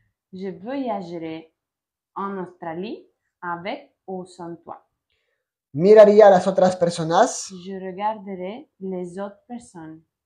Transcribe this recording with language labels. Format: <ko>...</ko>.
<fr>Je voyagerai en Australie avec ou sans toi.</fr> <es>Miraría a las otras personas.</es> <fr>Je regarderai les autres personnes.</fr>